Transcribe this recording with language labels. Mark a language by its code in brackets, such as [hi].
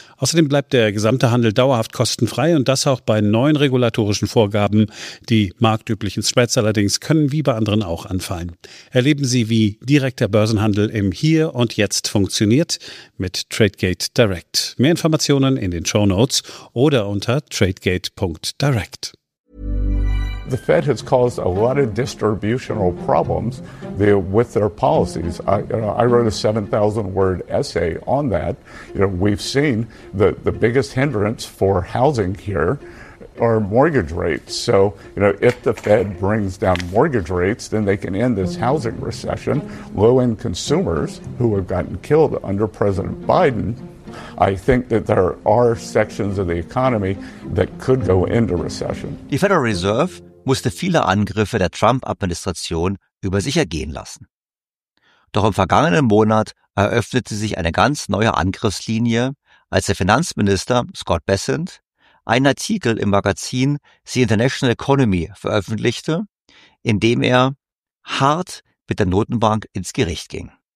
[de] Außerdem bleibt der gesamte Handel dauerhaft kostenfrei und das auch bei neuen regulatorischen Vorgaben. Die marktüblichen Spreads allerdings können wie bei anderen auch anfallen. Erleben Sie, wie direkter Börsenhandel im Hier und Jetzt funktioniert mit Tradegate Direct. Mehr Informationen in den Shownotes oder unter tradegate.direct. [en] The Fed has caused a lot of distributional problems with their policies. I wrote a 7,000-word essay on that. You know, we've seen the biggest hindrance for housing here are mortgage rates. So, you know, if the Fed brings down mortgage rates, then they can end this housing recession. Low-end consumers who have gotten killed under President Biden, I think that there are sections of the economy that could go into recession. [de] The Federal Reserve musste viele Angriffe der Trump-Administration über sich ergehen lassen. Doch im vergangenen Monat eröffnete sich eine ganz neue Angriffslinie, als der Finanzminister Scott Bessent einen Artikel im Magazin The International Economy veröffentlichte, in dem er hart mit der Notenbank ins Gericht ging.